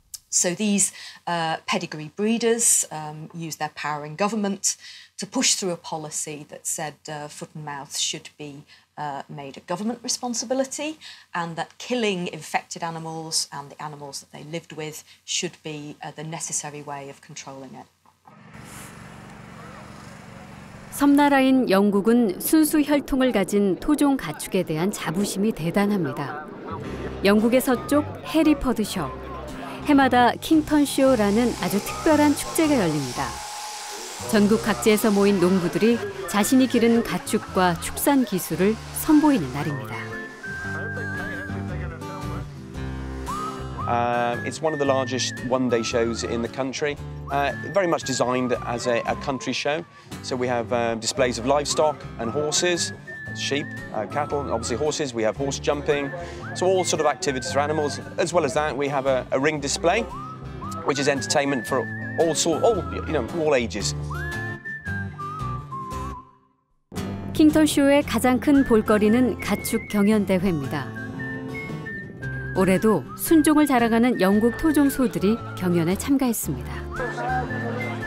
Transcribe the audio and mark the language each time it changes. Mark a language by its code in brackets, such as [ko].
[en] So these pedigree breeders used their power in government to push through a policy that said foot and mouth should be made a government responsibility and that killing infected animals and the animals that they lived with should be the necessary way of controlling it. [ko] 섬나라인 영국은 순수 혈통을 가진 토종 가축에 대한 자부심이 대단합니다. 영국의 서쪽 해리퍼드셔. 해마다 킹턴쇼라는 아주 특별한 축제가 열립니다. 전국 각지에서 모인 농부들이 자신이 기른 가축과 축산 기술을 선보이는 날입니다. [en] It's one of the largest one-day shows in the country. Very much designed as a country show. So we have displays of livestock and horses, sheep, cattle, obviously horses. We have horse jumping. So all sort of activities for animals. As well as that, we have a ring display, which is entertainment for all ages. [ko] 킹턴 쇼의 가장 큰 볼거리는 가축 경연 대회입니다. 올해도 순종을 자랑하는 영국 토종 소들이 경연에 참가했습니다.